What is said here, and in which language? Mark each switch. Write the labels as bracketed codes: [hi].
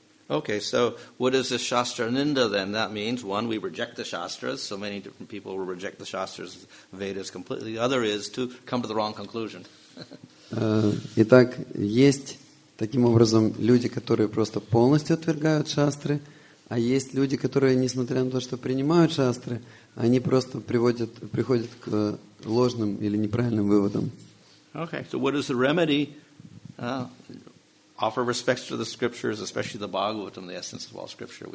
[en] Okay, so what is the Shastra Ninda then? That means, one, we reject the Shastras. So many different people will reject the Shastras, Vedas completely. The other is to come to the wrong conclusion. [ru] Итак, есть таким образом люди, которые просто полностью отвергают Шастры, а есть люди, которые, несмотря на то, что принимают Шастры, они просто приходят к ложным или неправильным выводам. [en] Okay, so what is the remedy? Offer respects to the scriptures, especially the Bhagavatam, the essence of all scripture.